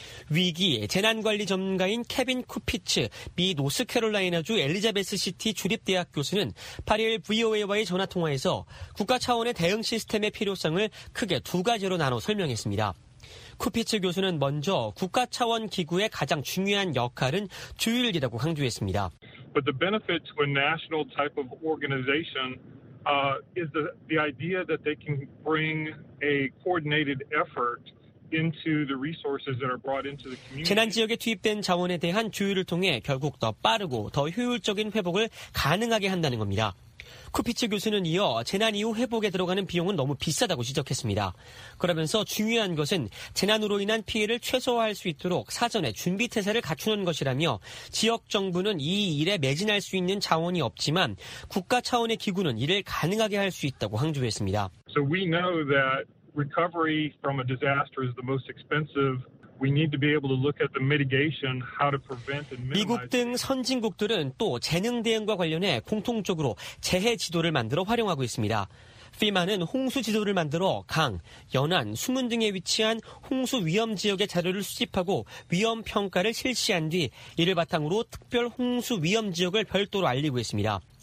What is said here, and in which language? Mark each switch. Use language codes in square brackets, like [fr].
[ko] 위기 재난관리 전문가인 케빈 쿠피츠 미 노스캐롤라이나주 엘리자베스 시티 주립대학 교수는 8일 VOA와의 전화통화에서 국가 차원의 대응 시스템의 필요성을 크게 두 가지로 나눠 설명했습니다. 쿠피츠 교수는 먼저 국가 차원 기구의 가장 중요한 역할은 조율이라고 강조했습니다. [en] But the benefit to a national type of organization is the idea that they can bring a coordinated effort into the resources that are brought into the community. [ko] 재난 지역에 투입된 자원에 대한 조율을 통해 결국 더 빠르고 더 효율적인 회복을 가능하게 한다는 겁니다. 쿠피츠 교수는 이어 재난 이후 회복에 들어가는 비용은 너무 비싸다고 지적했습니다. 그러면서 중요한 것은 재난으로 인한 피해를 최소화할 수 있도록 사전에 준비 태세를 갖추는 것이라며 지역 정부는 이 일에 매진할 수 있는 자원이 없지만 국가 차원의 기구는 이를 가능하게 할 수 있다고 강조했습니다. [en] So we know that recovery from a disaster is the most expensive. We need to be able to look at the mitigation, how to prevent and minimize. [ko] 미국 등 선진국들은 또 재능 대응과 관련해 공통적으로 재해 지도를 만들어 활용하고 있습니다. FEMA는 홍수 지도를 만들어 강, 연안, 수문 등에 위치한 홍수 위험 지역의 자료를 수집하고 위험 평가를 실시한 뒤 이를 바탕으로 특별 홍수 위험 지역을 별도로 알리고 있습니다.